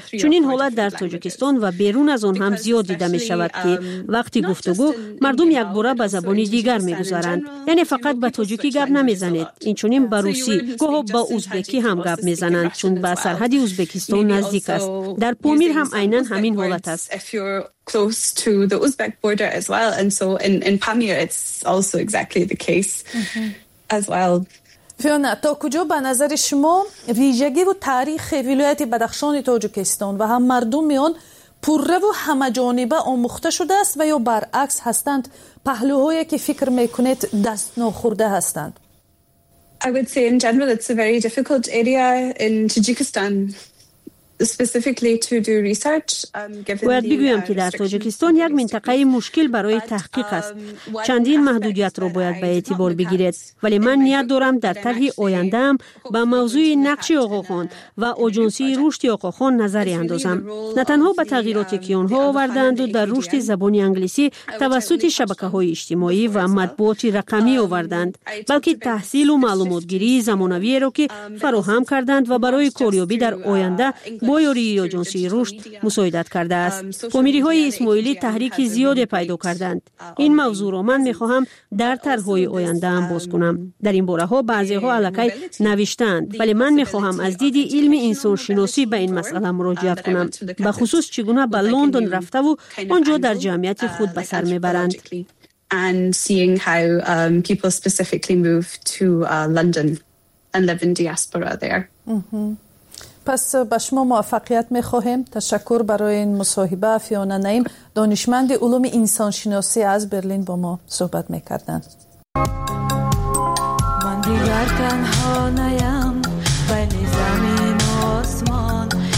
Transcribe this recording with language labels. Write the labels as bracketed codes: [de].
[fa] چون این حالت در تاجیکستان و بیرون از آن هم زیاد دیده میشود که وقتی گفتگو مردم یک باره به زبانی دیگر میگذارند. یعنی فقط به تاجیکی گپ نمیزنند، این چنین به روسی، گاه ها با ازبکی هم گپ میزنند چون به سرحد ازبکستان نزدیک است. در پامیر هم اینن همین حالت است. [en] If you're close to the Uzbek border as well, and so in Pamir it's also exactly the case as well. [tg] Фиона, то куҷо ба назари шумо вижаги ва таърихи вилояти Бадахшон Тоҷикистон ва ҳам мардуми он пурра ва ҳамаҷониба омӯхта шудааст ва ё баръакс ҳастанд паҳлӯҳое ки фикр мекунед даст нохӯрда ҳастанд? [en] I would say in general it's a very difficult area in Tajikistan. Specifically to do research, [fa] باید بگویم که در تاجیکستان یک منطقه مشکل برای تحقیق است. چندین محدودیت را باید به اعتبار بگیرید. ولی من نیت دارم در طرح آینده‌ام به موضوع نقش آقاخان و آژانسی رشد آقاخان نظری اندازم. نه تنها به تغییراتی که آنها آوردند و در رشد زبان انگلیسی توسط شبکه‌های اجتماعی و مطبوعات رقمی آوردند، بلکه تحصیل و معلومات‌گیری زمانوی را که فراهم کردند و برای کاریابی در آینده با یاری آژانسی رشد مساعدت کرده است. پامیری های اسماعیلی تحریک زیاده پیدا کردند. این موضوع را من می خواهم در طرح های آینده ام باز کنم. در این باره ها بعضی ها علکی نوشتند، ولی من می خواهم از دیدی علم انسان شناسی به این مسئله مراجعت کنم، به خصوص چگونه به لندن رفته و آنجا در جمعیت خود به سر می برند. [en] And seeing how people specifically move to London and live in diaspora there. [fa] پس به شما موفقیت می خواهیم. تشکر برای این مصاحبه. فیونا نعیم دانشمند علوم انسان شناسی از برلین با ما صحبت می کردن. من دیگر تنها نیم بین زمین و آسمان،